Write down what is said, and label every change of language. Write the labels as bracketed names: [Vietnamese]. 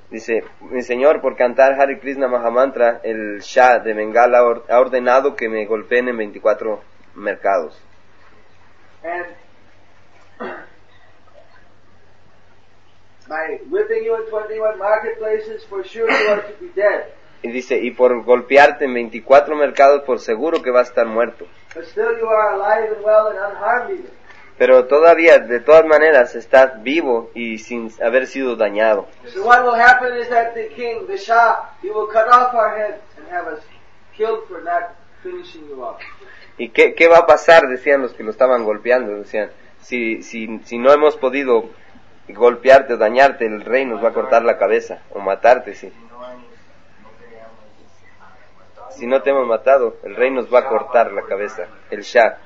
[Spanish] Dice, mi señor, por cantar Hare Krishna Mahamantra, el Shah de Bengal ha ordenado que me golpeen en 24 mercados. [English] And by whipping you in 21 marketplaces, for sure you are to be dead. [Spanish] Y dice, y por golpearte en 24 mercados, por seguro que vas a estar muerto. [English] But still you are alive and well and unharmed. [Spanish] Pero todavía, de todas maneras, estás vivo y sin haber sido dañado. [English] So what will happen is that the king, the Shah, he will cut off our heads and have us killed for not finishing you off. [Spanish] ¿Y qué va a pasar? Decían los que lo estaban golpeando. Decían, si no hemos podido golpearte o dañarte, el rey nos va a cortar la cabeza o matarte, sí. Si no te hemos matado, el rey nos va a cortar la cabeza, el Shah.